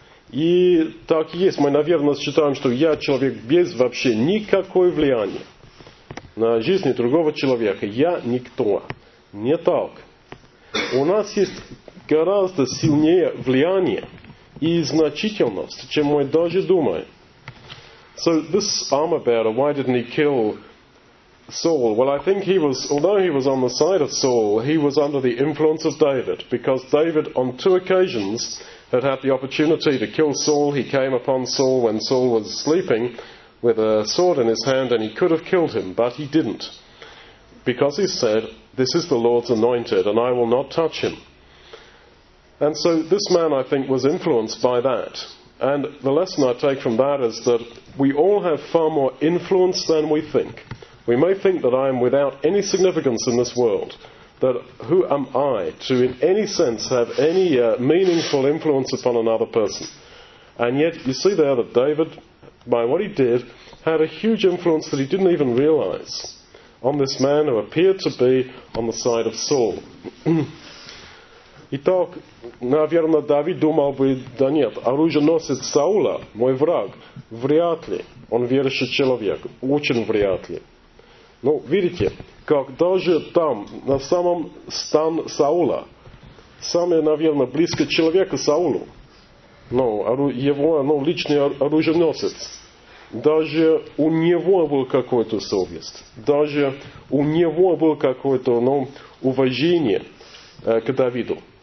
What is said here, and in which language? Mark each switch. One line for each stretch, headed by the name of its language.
Russian: И так есть. Мы, наверное, считаем, что я человек без вообще никакого влияния на жизнь другого человека. Я никто. Не так. У нас есть гораздо сильнее влияние и значительность, чем мы даже думаем.
English: So this armor bearer, why didn't he kill Saul? Well, I think he was, although he was on the side of Saul, he was under the influence of David, because David on two occasions had had the opportunity to kill Saul. He came upon Saul when Saul was sleeping with a sword in his hand, and he could have killed him, but he didn't, because he said, "This is the Lord's anointed, and I will not touch him." And so this man, I think, was influenced by that. And the lesson I take from that is that we all have far more influence than we think. We may think that I am without any significance in this world, that who am I to in any sense have any meaningful influence upon another person. And yet you see there that David, by what he did, had a huge influence that he didn't even realize on this man who appeared to be on the side of Saul.
Russian: Итак, наверное, Давид думал бы, да нет, оруженосец Саула, мой враг, вряд ли он верующий человек, очень вряд ли. Ну, видите, как даже там, на самом стан Саула, самый, наверное, близкий человек Саулу, ну, его ну, личный оруженосец, даже у него был какой-то совесть, даже у него было какое-то ну, уважение к Давиду.